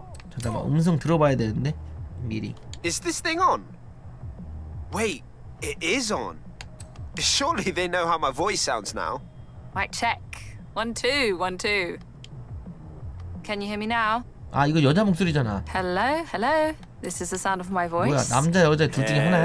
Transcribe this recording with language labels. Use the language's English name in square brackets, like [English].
[Korean] 잠깐만 음성 들어봐야 되는데 미리. [English] Is this thing on? Wait, it is on. Surely they know how my voice sounds now. Mic check. 1 2 1 2 Can you hear me now? [Korean] 아 이거 여자 목소리잖아. [English] Hello, hello. This is the sound of my voice. [Korean] 뭐야 남자 여자 둘 중에 하나야?